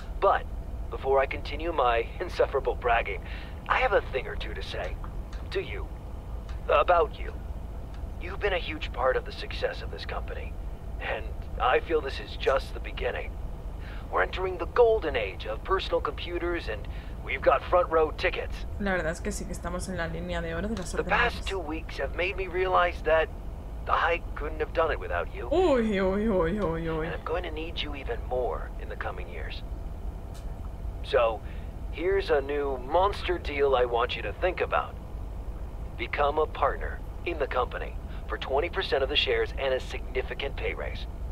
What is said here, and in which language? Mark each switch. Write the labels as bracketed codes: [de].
[en] But before I continue my insufferable bragging, I have a thing or two to say to you, about you. You've been a huge part of the success of this company, and I feel this is just the beginning. We're entering the golden age of personal computers and we've got front row tickets. [es] La verdad es que sí que estamos en la línea de oro de las [en] The past 2 weeks have made me realize that I couldn't have done it without you. Uy, uy, uy, uy, uy. And I'm going to need you even more in the coming years. So, here's a new monster deal I want you to think about. Become a partner in the company for 20% of the shares and a significant pay raise.